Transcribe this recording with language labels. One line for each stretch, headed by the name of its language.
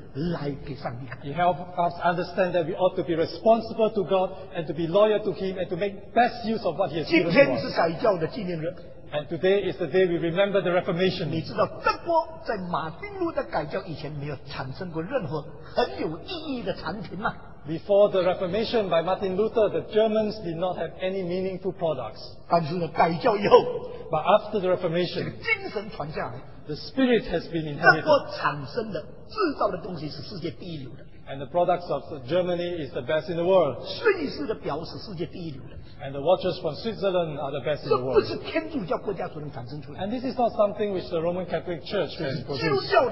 English: He helped us understand that we ought to be responsible to God and to be loyal to Him and to make best use of what He has given us.
Chinese: 今天是改教的纪念日。
English: And today is the day we remember the Reformation.
Chinese: 你知道德国在马丁路德改教以前没有产生过任何很有意义的产品吗?
English: Before the Reformation by Martin Luther, the Germans did not have any meaningful products.
Chinese: 但是改教以后,
English: but after the Reformation,
Chinese: 这个精神传下来,
English: the spirit has been inherited.
Chinese: 制造的东西是世界第一流的。
English: And the products of Germany is the best in the world. And the watches from Switzerland are the best in the world. And this is not something which the Roman Catholic Church can produce.